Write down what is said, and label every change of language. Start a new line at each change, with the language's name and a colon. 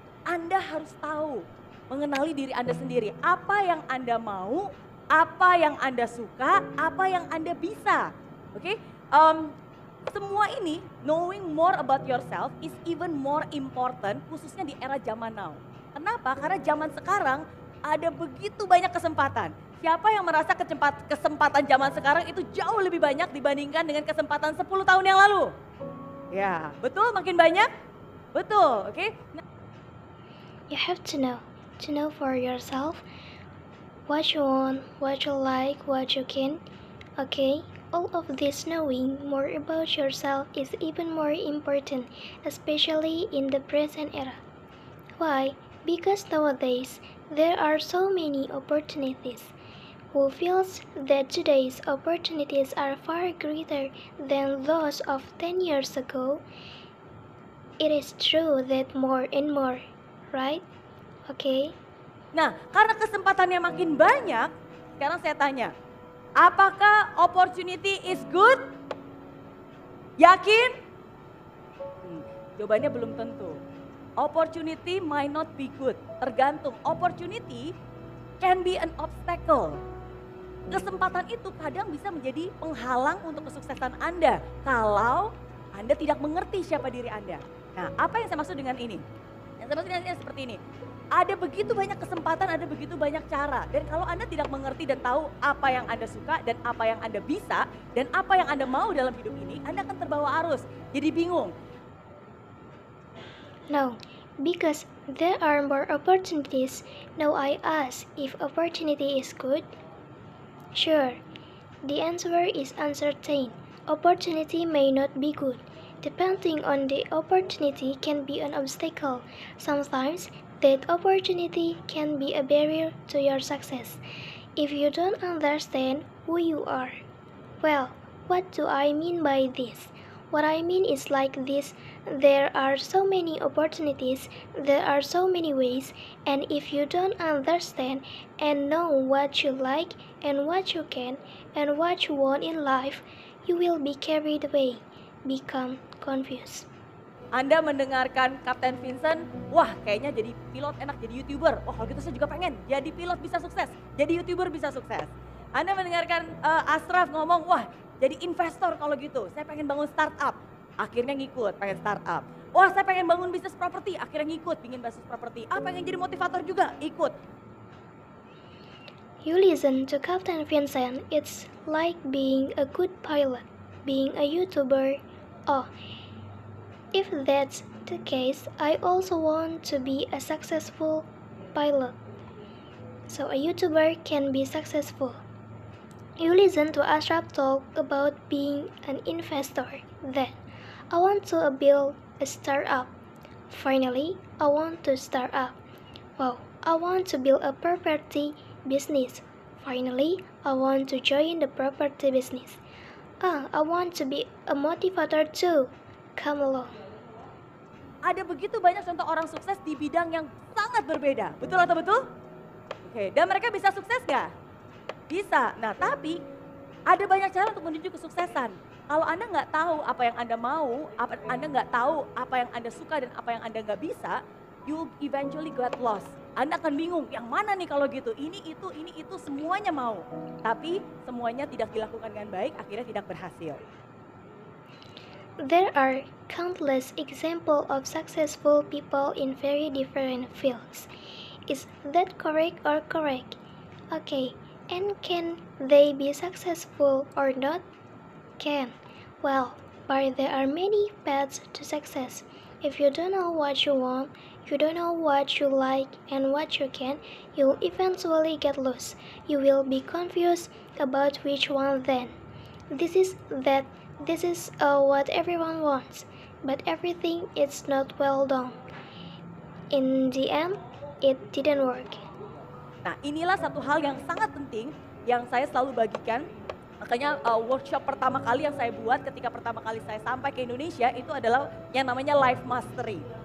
Indonesian: Anda harus tahu mengenali diri Anda sendiri. Apa yang Anda mau, apa yang Anda suka, apa yang Anda bisa. Oke? Okay? Semua ini,
English: knowing more about yourself is even more important,
Indonesian: khususnya di era zaman
English: now.
Indonesian: Kenapa? Karena zaman sekarang ada begitu banyak kesempatan. Siapa yang merasa kesempatan zaman sekarang itu jauh lebih banyak dibandingkan dengan kesempatan 10 tahun yang lalu? Ya, betul, makin banyak? Betul, oke? Okay?
English: You have to know for yourself what you want, what you like, what you can, okay? All of this knowing more about yourself is even more important, especially in the present era. Why? Because nowadays, there are so many opportunities. Who feels that today's opportunities are far greater than those of 10 years ago? It is true that more and more, right? Okay?
Indonesian: Nah, karena kesempatannya makin banyak, sekarang saya tanya, apakah
English: opportunity is good?
Indonesian: Yakin? Jawabannya belum tentu.
English: Opportunity might not be good.
Indonesian: Tergantung.
English: Opportunity can be an obstacle.
Indonesian: Kesempatan itu kadang bisa menjadi penghalang untuk kesuksesan Anda. Kalau Anda tidak mengerti siapa diri Anda. Nah, apa yang saya maksud dengan ini? Yang saya maksud dengan ini seperti ini. Ada begitu banyak kesempatan, ada begitu banyak cara. Dan kalau Anda tidak mengerti dan tahu apa yang Anda suka dan apa yang Anda bisa dan apa yang Anda mau dalam hidup ini, Anda akan terbawa arus. Jadi bingung.
English: No, because there are more opportunities. Now I ask if opportunity is good. Sure, the answer is uncertain. Opportunity may not be good. Depending on the opportunity can be an obstacle. Sometimes that opportunity can be a barrier to your success. If you don't understand who you are. Well, what do I mean by this? What I mean is like this. There are so many opportunities, there are so many ways, and if you don't understand and know what you like and what you can and what you want in life, you will be carried away, become confused.
Indonesian: Anda mendengarkan Kapten Vincent, wah kayaknya jadi pilot enak, jadi YouTuber. Wah kalau gitu saya juga pengen, jadi pilot bisa sukses, jadi YouTuber bisa sukses. Anda mendengarkan Ashraf ngomong, wah jadi investor kalau gitu, saya pengen bangun startup. Akhirnya ngikut, pengen startup. Wah saya pengen bangun bisnis properti, akhirnya ngikut, pengen bisnis properti. Ah pengen jadi motivator juga, ikut.
English: You listen to Captain Vincent, it's like being a good pilot, being a YouTuber. Oh, if that's the case, I also want to be a successful pilot. So a YouTuber can be successful. You listen to Ashraf talk about being an investor, then. I want to build a startup. Finally, I want to start up. Wow, I want to build a property business. Finally, I want to join the property business. I want to be a motivator too. Come along.
Indonesian: Ada begitu banyak contoh orang sukses di bidang yang sangat berbeda. Betul atau betul? Oke, dan mereka bisa sukses gak? Bisa. Nah, tapi ada banyak cara untuk menuju kesuksesan. Kalau Anda nggak tahu apa yang Anda mau, Anda nggak tahu apa yang Anda suka dan apa yang Anda nggak bisa,
English: you eventually get lost.
Indonesian: Anda akan bingung, yang mana nih kalau gitu, ini itu, semuanya mau. Tapi semuanya tidak dilakukan dengan baik, akhirnya tidak berhasil.
English: There are countless example of successful people in very different fields. Is that correct or correct? Okay, and can they be successful or not? Can. Well, but there are many paths to success. If you don't know what you want, you don't know what you like and what you can, you'll eventually get lost. You will be confused about which one then. This is what everyone wants, but everything is not well done. In the end, it didn't work.
Indonesian: Nah, inilah satu hal yang sangat penting yang saya selalu bagikan. Makanya workshop pertama kali yang saya buat ketika pertama kali saya sampai ke Indonesia itu adalah yang namanya life mastery.